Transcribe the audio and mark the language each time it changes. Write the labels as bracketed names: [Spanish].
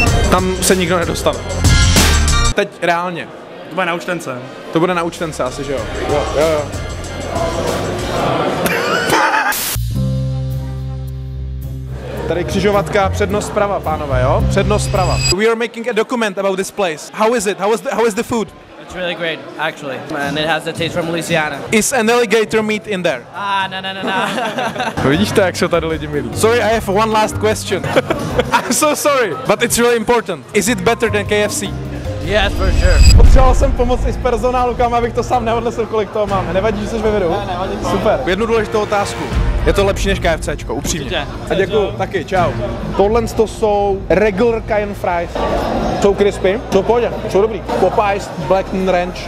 [Czech] Tam se nikdo nedostane. teď reálně. To bude na účtence. To bude na účtence asi, že jo? Jo. Tady křižovatka, přednost zprava, pánové, jo? Přednost zprava. [English] We are making a document about this place. How is it? How is the food? It's really great, actually. And it has the taste from Louisiana. Is an alligator meat in there? No. [Czech] Vidíš to, jak jsou tady lidi milí. [English] Sorry, I have one last question. I'm so sorry, but it's really important. Is it better than KFC? Yes, for sure. [Czech] Potřeboval jsem pomoc i s personálu, kam, abych to sám neodnesl, kolik toho máme. Nevadí, že jsi ve videu? Ne, super. Jednu důležitou otázku. Je to lepší než KFCčko, upřímně. Určitě. A děkuju, taky, čau. Tohle to jsou [English] regular cayenne fries. [Czech] Jsou crispy, jsou pohodě, jsou dobrý. Popeyes, Black Ranch.